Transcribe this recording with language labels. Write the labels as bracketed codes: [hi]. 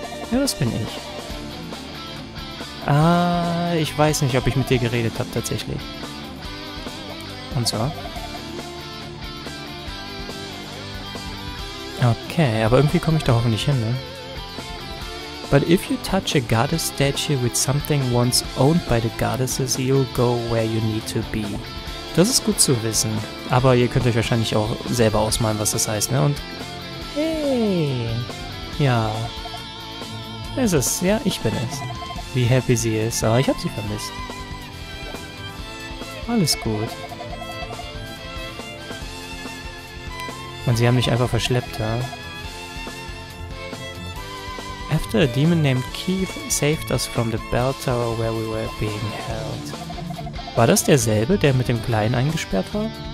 [de] Ja, das bin ich. Ah, ich weiß nicht, ob ich mit dir geredet habe tatsächlich. Und zwar. Okay, aber irgendwie komme ich da hoffentlich hin, ne? [en] But if you touch a goddess statue with something once owned by the goddesses, you'll go where you need to be. [de] Das ist gut zu wissen. Aber ihr könnt euch wahrscheinlich auch selber ausmalen, was das heißt, ne? Und... Hey! Ja... Es ist, ja, ich bin es. Wie happy sie ist. Aber ich habe sie vermisst. Alles gut. Und sie haben mich einfach verschleppt, ja? [en] After a demon named Keith saved us from the bell tower where we were being held. [de] War das derselbe, der mit dem Kleinen eingesperrt war?